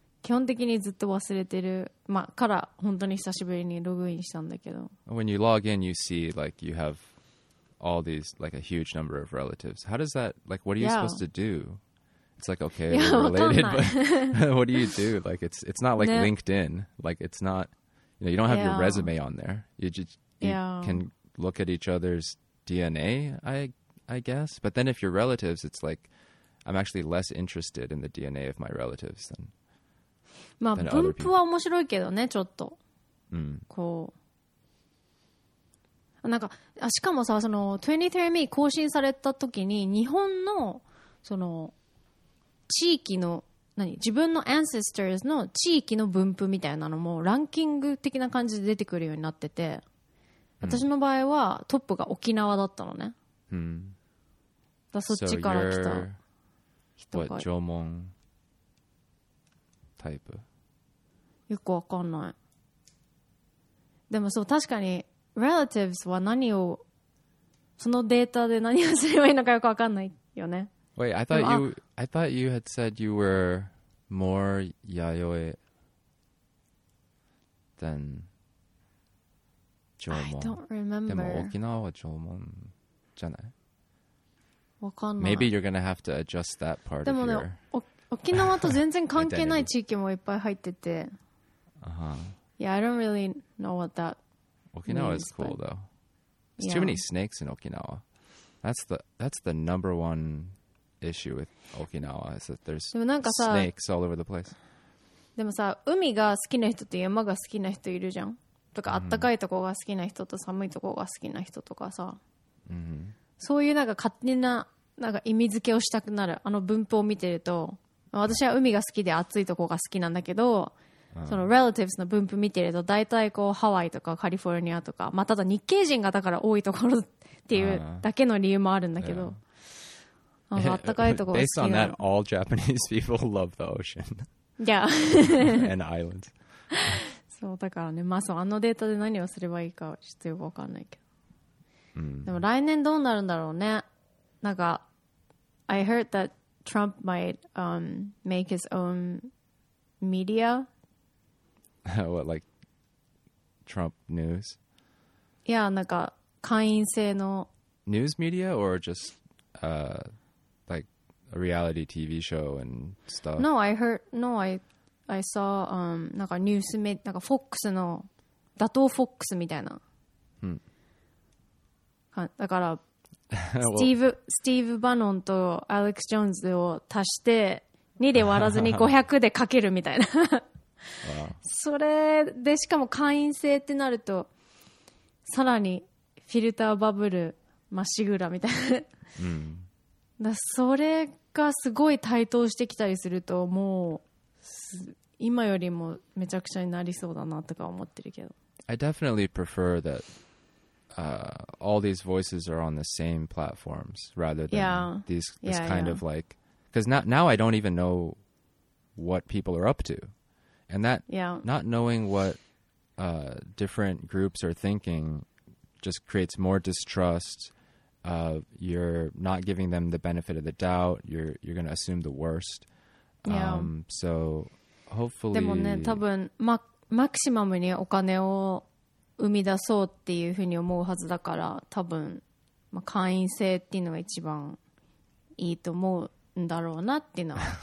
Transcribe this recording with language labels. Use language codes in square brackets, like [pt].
[ja] 基本的にずっと忘れてる、まあ、から本当に久しぶりにログインしたんだけど。 [en] When you log in, you see like you have all these like a huge number of relatives. How does that like what are you supposed to do? It's like okay, you're related, but what do you do? Like it's not like LinkedIn. Like it's not, you know, you don't have your resume on there. You just can look at each other's DNA, I guess. But then if you're relatives, it's like I'm actually less interested in the DNA of my relatives than. [ja] まあ分布は面白いけどねちょっと、こうなんかしかもさその 23andMe 更新された時に日本のその地域の何自分の ancestors の地域の分布みたいなのもランキング的な感じで出てくるようになってて、私の場合はトップが沖縄だったのね、だそっちから来た人が、縄文タイプ、よくわかんない。でもそう確かに relatives は何をそのデータで何をすればいいのかよくわかんないよね。 [en] Wait, I thought you had said you were more Yayoi than 縄文。 I don't remember. [ja] でも沖縄は縄文じゃない？わかんない。 [en] Maybe you're gonna have to adjust that part of your。 [ja] 沖縄と全然関係ない地域もいっぱい入ってて、 [en] uh-huh. Yeah, I don't really know what that [ja] 沖縄 [en] means, is cool though. There's too many snakes in Okinawa. That's the number one issue with Okinawa is that there's snakes all over the place. [ja] でもさ、海が好きな人と山が好きな人いるじゃん。とか、暖かいとこが好きな人と寒いとこが好きな人とかさ、そういうなんか勝手ななんか意味付けをしたくなる、あの分布を見てると。私は海が好きで暑いとこが好きなんだけど、その relatives の分布見てると大体こうハワイとかカリフォルニアとか、まあ、ただ日系人がだから多いところっていうだけの理由もあるんだけど、あったかいとこが好き [en] Based on that, all Japanese people love the ocean. Yeah. And islands. [ja] そうだからね、まあそう、あのデータで何をすればいいかはちょっとよくわかんないけど。でも来年どうなるんだろうね。なんか、 [en] I heard that Trump might make his own media. What, like Trump news? [ja] Yeah, なんか会員制の [en] news media or just like a reality TV show and stuff. No, I heard. No, I saw [ja] なんかニュースメ、なんかフォックスの打倒フォックスみたいな。うん。だからスティーブバノンとアレックス・ジョーンズを足して2で割らずに500でかけるみたいな。それでしかも会員制ってなるとさらにフィルターバブルまっしぐらみたいな、うん、だそれがすごい台頭してきたりするともう今よりもめちゃくちゃになりそうだなとか思ってるけど [en] I definitely prefer that all these voices are on the same platforms rather than yeah. this yeah, kind yeah. of like because now I don't even know what people are up toAnd that yeah. not knowing what different groups are thinking just creates more distrust. You're not giving them the benefit of the doubt. You're going to assume the worst. Yeah. So hopefully... [ja] でもね、多分マクシマムにお金を生み出そうっていうふうに思うはずだから、多分、まあ、会員制っていうのが一番いいと思うんだろうなっていうのは、